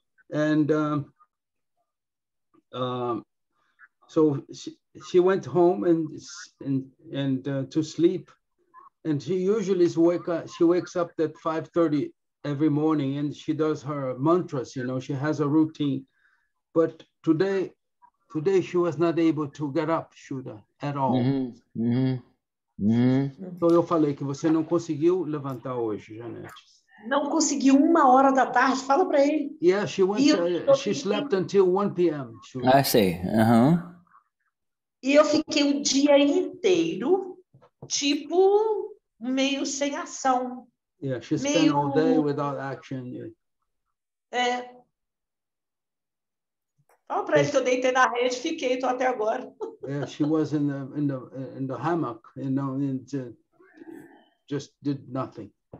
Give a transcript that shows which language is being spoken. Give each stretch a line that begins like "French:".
English: And so she went home and to sleep. And she usually wakes up at 5:30 every morning and she does her mantras, you know, she has a routine. But today she was not able to get up, Shuddha, at all.
Portuguese: Então eu falei que você não conseguiu levantar hoje, Jeanette. Não conseguiu uma hora da tarde, fala para ele.
English: Yeah, she went. She slept until 1 p.m. Shuddha. I see.
Portuguese: E eu fiquei o dia inteiro, tipo, meio sem ação.
English: Yeah, she spent all day without action.
Portuguese: Fala para ele que eu deitei na rede, fiquei, tô até agora.
English: Yeah, she was in the hammock, you know, and just did nothing.